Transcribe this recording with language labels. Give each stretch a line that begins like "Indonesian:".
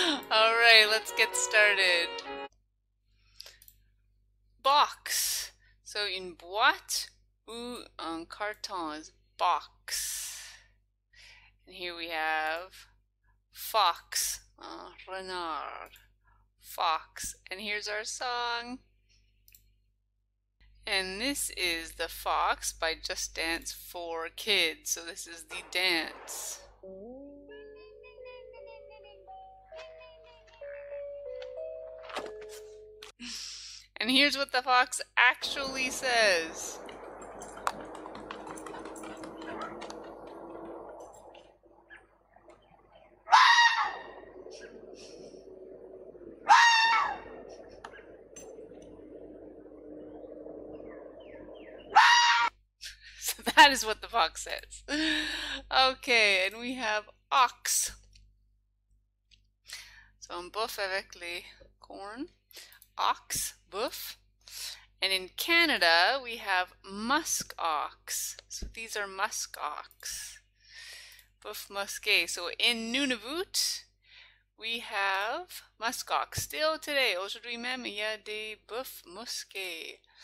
English: All right, let's get started. Box.
French: So une boîte ou un carton is box.
English: And here we have fox, renard, fox. And here's our song. And this is The Fox by Just Dance for Kids. So this is the dance. And here's what the fox actually says. So that is what the fox says. Okay, and we have ox.
French: So un bœuf avec les cornes.
English: Ox, boof. And in Canada, we have musk ox. So these are musk ox.
French: Boof musqué.
English: So in Nunavut, we have musk ox. Still today,
French: aujourd'hui même, il y a des boof musqué.